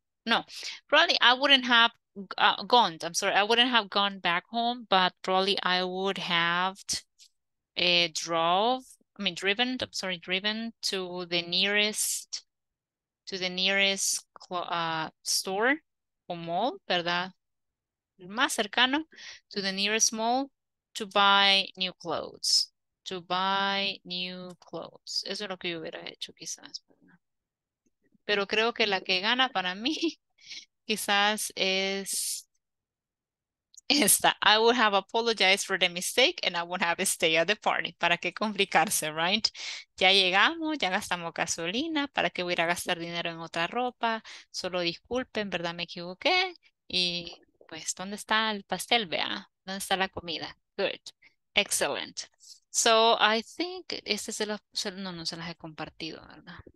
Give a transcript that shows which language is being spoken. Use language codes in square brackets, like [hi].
[en] No, probably I wouldn't have gone back home, but probably I would have driven to the nearest store or mall, [es] ¿verdad? Más cercano [en] to the nearest mall to buy new clothes. [es] Eso es lo que yo hubiera hecho quizás, ¿verdad? Pero creo que la que gana para mí quizás es esta. [en] I would have apologized for the mistake and I would have stayed at the party. [es] ¿Para qué complicarse, [en] right? [es] Ya llegamos, ya gastamos gasolina. ¿Para qué voy a gastar dinero en otra ropa? Solo disculpen, ¿verdad? Me equivoqué. Y pues, ¿dónde está el pastel, Bea? ¿Dónde está la comida? [en] Good. Excellent. So, I think [es] este se los... No, no se las he compartido, ¿verdad?